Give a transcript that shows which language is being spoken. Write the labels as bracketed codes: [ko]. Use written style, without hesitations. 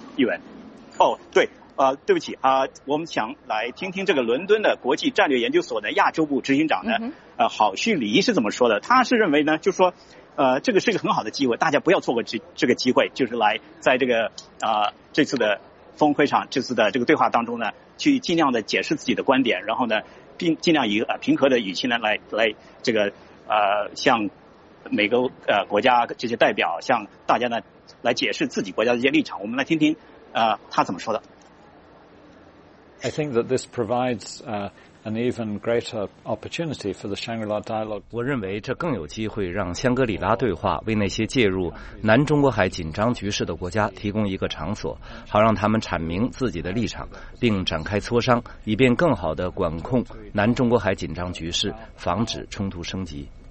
[zh] 议员，哦，对，对不起啊，我们想来听听这个伦敦的国际战略研究所的亚洲部执行长呢，郝旭黎是怎么说的？他是认为呢，就说，这个是一个很好的机会，大家不要错过这个机会，就是来在这个这次的峰会上，这次的这个对话当中呢，去尽量的解释自己的观点，然后呢，尽量以平和的语气呢，来这个向每个国家这些代表，向大家呢来解释自己国家的一些立场。我们来听听他怎么说的。 [en] I think that this provides an even greater opportunity for the Shangri-La dialogue. [zh] 我认为这更有机会让香格里拉对话为那些介入南中国海紧张局势的国家提供一个场所，好让他们阐明自己的立场，并展开磋商，以便更好地管控南中国海紧张局势，防止冲突升级。